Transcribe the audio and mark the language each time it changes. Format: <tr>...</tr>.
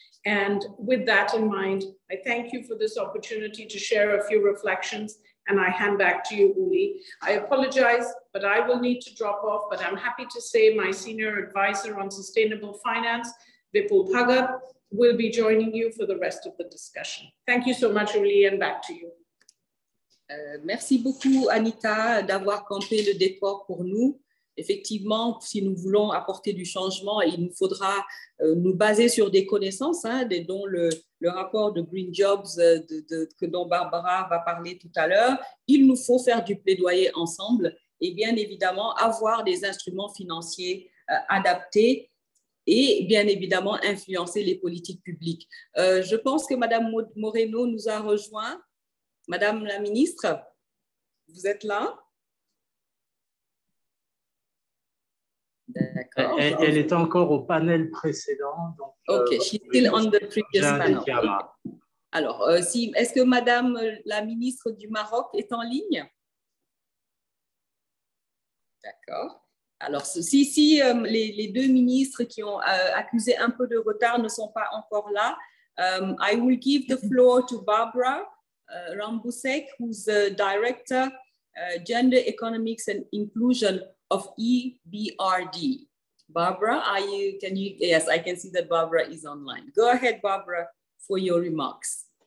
<en>And with that in mind, I thank you for this opportunity to share a few reflections, and I hand back to you, Uli. I apologize, but I will need to drop off, but I'm happy to say my senior advisor on sustainable finance, Vipul Bhagat, will be joining you for the rest of the discussion. Thank you so much, Uli, and back to you.</en> <fr>Merci beaucoup, Anita, d'avoir campé le décor pour nous. Effectivement, si nous voulons apporter du changement, il nous faudra nous baser sur des connaissances, hein, dont le rapport de Green Jobs, dont Barbara va parler tout à l'heure. Il nous faut faire du plaidoyer ensemble et bien évidemment avoir des instruments financiers adaptés et bien évidemment influencer les politiques publiques. Je pense que Madame Moreno nous a rejoint. Madame la ministre, vous êtes là? D'accord. Elle est encore au panel précédent. Donc,</fr> <en>OK, she's still on the previous panel. Okay.</en> <fr>Alors, est-ce que Madame la ministre du Maroc est en ligne? D'accord. Alors, les deux ministres qui ont accusé un peu de retard ne sont pas encore là.</fr> <en>I will give the floor to Barbara Rambusek, who's the director, Gender Economics and Inclusion of EBRD. Barbara, yes, I can see that Barbara is online. Go ahead, Barbara, for your remarks.</en>